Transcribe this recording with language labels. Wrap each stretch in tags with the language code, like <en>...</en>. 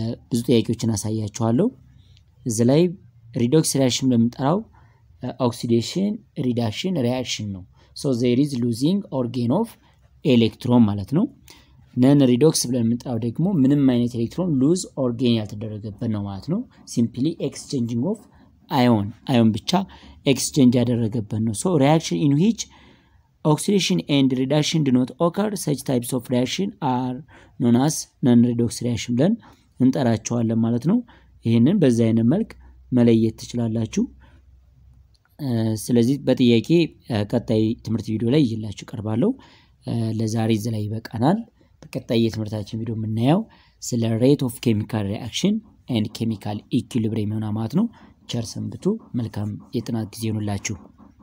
<am>ብዙ ጥያቄዎችን አሳያችኋለሁ. እዚህ ላይ redox reaction ለምጣራው oxidation reduction reaction ነው.</am> <en>So there is losing or gain of electron</en> <am>ማለት ነው. Non redox ለምጣራው ደግሞ ምንም አይነት</am> <en>electron lose or gain</en> <am>ያልተደረገበት ነው ማለት ነው.</am> <en>Simply exchanging of ion. Ion ብቻ exchange</en> <am>ያደረገበት ነው.</am> <en>So reaction in which oxidation and reduction do not occur, such types of reaction are known as non redox reaction</en> <am>ብለን እንጠራቸዋለን ማለት ነው. ይሄንን በዛ አይነት መልክ መለየት ትችላላችሁ. ስለዚህ በጥያቄ ቀጣይ ትምህርት ቪዲዮ ላይ ይላችሁ ቀርባለሁ. ለዛሬ እዚህ ላይ ይበቃናል. በቀጣይ የትምህርታችን ቪዲዮ ምናየው ስለ</am> <en>rate of chemical reaction and chemical equilibrium</en> <am>ነው ማለት ነው. ቸር ሰንብቱ. መልካም የጥናት ጊዜ ይሁንላችሁ.</am>